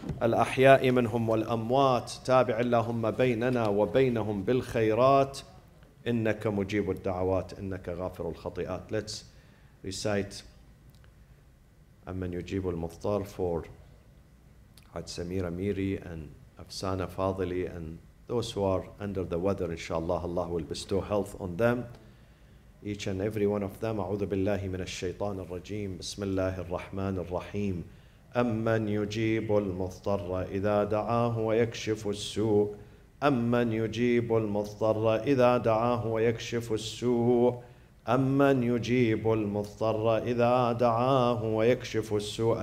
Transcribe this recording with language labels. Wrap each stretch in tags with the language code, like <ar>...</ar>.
<ar>الأحياء منهم والأموات تابع اللهم بيننا وبينهم بالخيرات إنك مجيب الدعوات إنك غافر الخطيئات.</ar> <en>Let's recite</en> <ar>أمن يجيب المضطر</ar> <en>for حد Samir Amiri and Afsaneh Fazeli and those who are under the weather. Inshallah, Allah will bestow health on them, each and every one of them.</en> <ar>أعوذ بالله من الشيطان الرجيم. بسم الله الرحمن الرحيم. أمن يجيب المضطر إذا دعاه ويكشف السوء. أمن يجيب المضطر إذا دعاه ويكشف السوء. أمن يجيب المضطر إذا دعاه ويكشف السوء.</ar>